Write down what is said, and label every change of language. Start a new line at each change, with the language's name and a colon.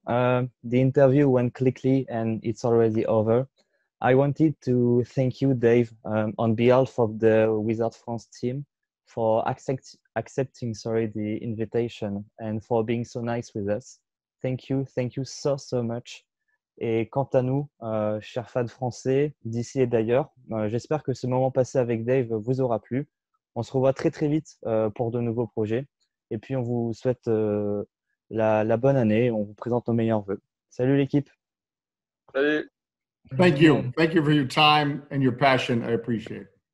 English: The interview went quickly and it's already over. I wanted to thank you, Dave, on behalf of the Wizard France team for accepting the invitation and for being so nice with us. Thank you. Thank you so, so much.
French: Et quant à nous, chers fans français, d'ici et d'ailleurs, j'espère que ce moment passé avec Dave vous aura plu. On se revoit très, très vite pour de nouveaux projets. Et puis, on vous souhaite la bonne année. On vous présente nos meilleurs vœux. Salut l'équipe. Salut.
English: Thank you. Thank you for your time and your passion. I appreciate it.